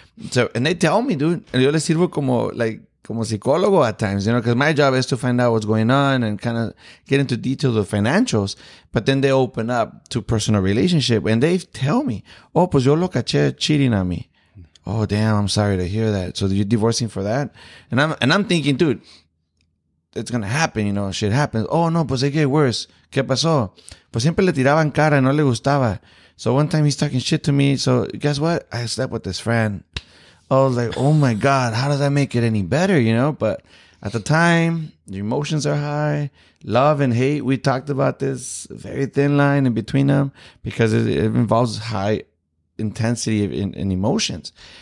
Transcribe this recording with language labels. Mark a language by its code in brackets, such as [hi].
[en] So, and they tell me, dude. [es] Yo les sirvo como psicólogo [en] at times, you know, because my job is to find out what's going on and kind of get into details of financials. But then they open up to personal relationship and they tell me, oh, [es] pues yo lo caché [en] cheating on me. Oh, damn, I'm sorry to hear that. So you're divorcing for that? And I'm thinking, dude, it's going to happen, you know, shit happens. Oh, no, pues it get worse. [es] ¿Qué pasó? Pues siempre le tiraban cara, no le gustaba. [en] So one time he's talking shit to me. So guess what? I slept with this friend. I was like, oh, my God, how does that make it any better, you know? But at the time, your emotions are high. Love and hate, we talked about this very thin line in between them because it involves high intensity in emotions.